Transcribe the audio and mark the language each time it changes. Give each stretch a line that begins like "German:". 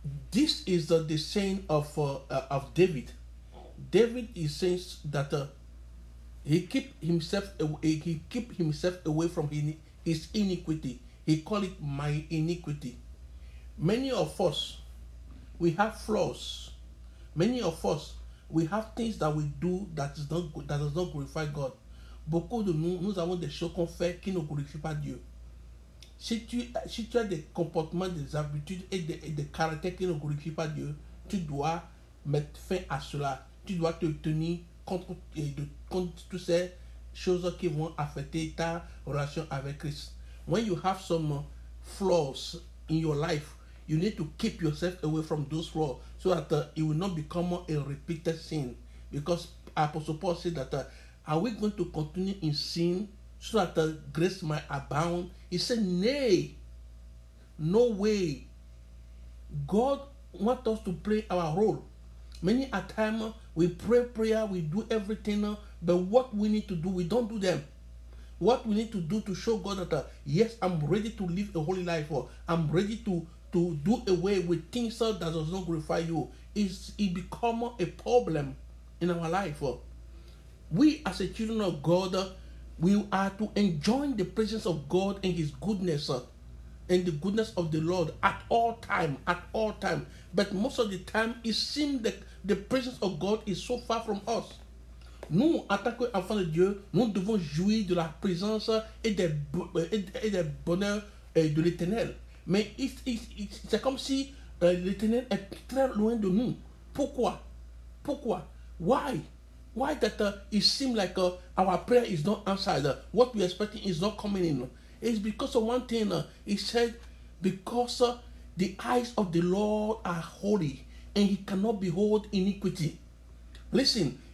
English: This is the saying of David. David is saying that he keep himself away from his iniquity. He call it my iniquity. Many of us, we have flaws. Many of us, we have things that we do that is not good, that does not glorify God.
French: Beaucoup de nous, nous avons des choses qu'on fait qui ne glorifient pas Dieu. Si tu as des comportements, des habitudes et des caractères qui ne glorifient pas Dieu, tu dois mettre fin à cela. Tu dois te tenir contre toutes ces choses qui vont affecter ta relation avec Christ.
English: When you have some flaws in your life, you need to keep yourself away from those flaws, so that it will not become a repeated sin. Because Apostle Paul said that, are we going to continue in sin so that grace might abound? He said, nay, no way. God wants us to play our role. Many a time, we pray prayer, we do everything, but what we need to do, we don't do them. What we need to do to show God that, yes, I'm ready to live a holy life, or I'm ready to do away with things that does not glorify you, is it become a problem in our life. We as a children of God, we are to enjoy the presence of God and his goodness, and the goodness of the Lord at all time. But most of the time, it seems that the presence of God is so far from us.
French: Nous, en tant qu'enfants de Dieu, nous devons jouir de la présence et des bonheurs de l'Éternel. Mais c'est comme si l'Éternel est très loin de nous. Pourquoi?
English: Why? Why that it seems like our prayer is not answered? What we are expecting is not coming in. It's because of one thing. He said, because the eyes of the Lord are holy, and he cannot behold iniquity. Listen,